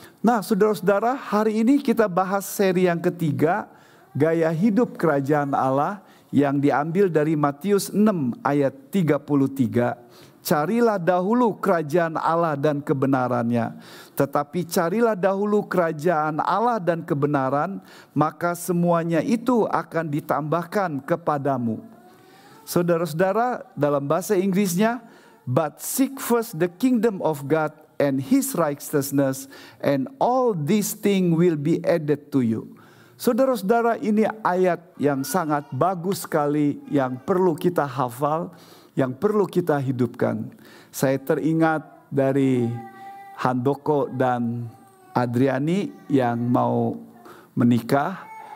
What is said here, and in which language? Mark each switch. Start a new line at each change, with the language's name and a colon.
Indonesian: Nah saudara-saudara, hari ini kita bahas seri yang ketiga, gaya hidup kerajaan Allah yang diambil dari Matius 6 ayat 33. Carilah dahulu kerajaan Allah dan kebenarannya. Tetapi carilah dahulu kerajaan Allah dan kebenaran, maka semuanya itu akan ditambahkan kepadamu. Saudara-saudara, dalam bahasa Inggrisnya,
English: but seek first the kingdom of God and his righteousness, and all these things will be added to you.
Indonesian: Saudara-saudara, ini ayat yang sangat bagus sekali yang perlu kita hafal, yang perlu kita hidupkan. Saya teringat dari Handoko dan Adriani yang mau menikah.